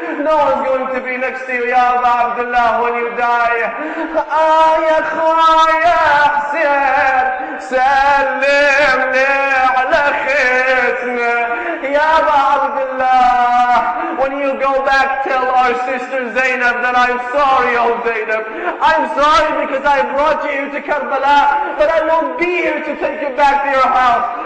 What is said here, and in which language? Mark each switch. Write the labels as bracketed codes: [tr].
[en] No one's going to be next to you, ya Abu Abdullah, when you die. [ar] يا خويا حسين سلم لي على ختنا. [en] Ya Abu Abdullah, when you go back, tell our sister Zainab that I'm sorry, oh Zainab. I'm sorry because I brought you to Karbala, but I won't be here to take you back to your house.